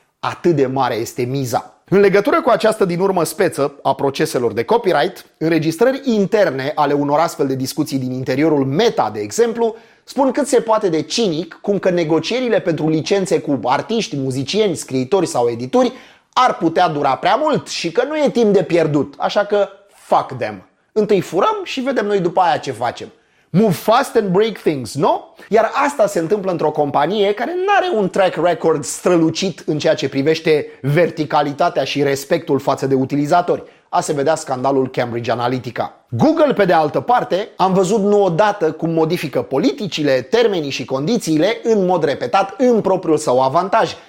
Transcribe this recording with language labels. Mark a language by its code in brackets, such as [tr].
[ro] Atât de mare este miza. În legătură cu această din urmă speță a proceselor de copyright, înregistrări interne ale unor astfel de discuții din interiorul Meta, de exemplu, spun cât se poate de cinic cum că negocierile pentru licențe cu artiști, muzicieni, scriitori sau edituri ar putea dura prea mult și că nu e timp de pierdut, așa că [en] fuck them. [ro] Întâi furăm și vedem noi după aia ce facem. [en] Move fast and break things, no? [ro] Iar asta se întâmplă într-o companie care n-are un track record strălucit în ceea ce privește verticalitatea și respectul față de utilizatori. A se vedea scandalul Cambridge Analytica. Google, pe de altă parte, am văzut nu odată cum modifică politicile, termenii și condițiile în mod repetat în propriul său avantaj.